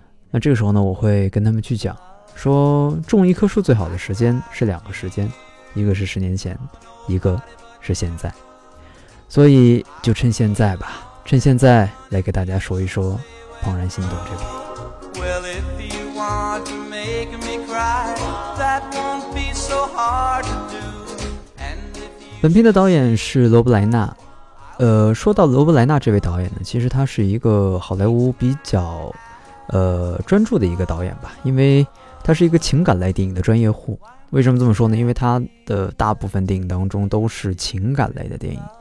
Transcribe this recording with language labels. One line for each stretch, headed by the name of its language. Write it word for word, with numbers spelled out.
Chinese: 那这个时候呢，我会跟他们去讲说，种一棵树最好的时间是两个时间，一个是十年前，一个是现在。所以就趁现在吧，趁现在来给大家说一说《怦然心动》这部。
English: Well, if you want to make me cry, that won't be so hard to do. And if you...
Chinese: 本片的导演是罗布莱纳。呃，说到罗布莱纳这位导演呢，其实他是一个好莱坞比较呃，专注的一个导演吧，因为他是一个情感类电影的专业户。为什么这么说呢？因为他的大部分电影当中都是情感类的电影。